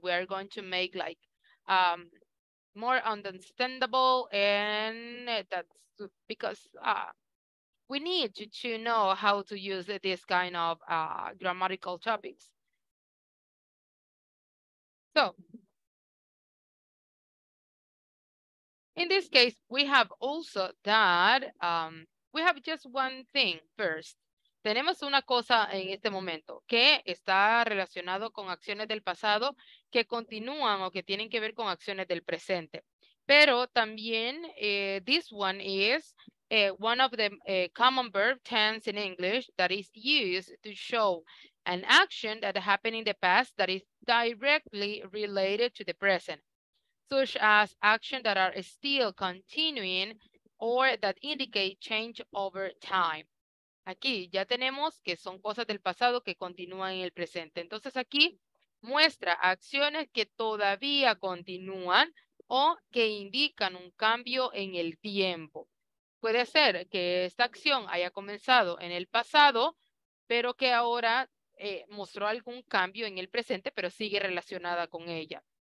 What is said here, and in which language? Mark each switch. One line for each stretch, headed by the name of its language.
English: We are going to make like more understandable, and that's because we need to know how to use this kind of grammatical topics. So, in this case, we have also that, we have just one thing first.
Spanish: Tenemos una cosa en este momento que está relacionado con acciones del pasado que continúan o que tienen que ver con acciones del presente. Pero también
English: this one is one of the common verb tense in English that is used to show an action that happened in the past that is directly related to the present, such as actions that are still continuing or that indicate change over time.
Spanish: Aquí ya tenemos que son cosas del pasado que continúan en el presente. Entonces aquí muestra acciones que todavía continúan o que indican un cambio en el tiempo. Puede ser que esta acción haya comenzado en el pasado, pero que ahora mostró algún cambio en el presente, pero sigue relacionada con ella.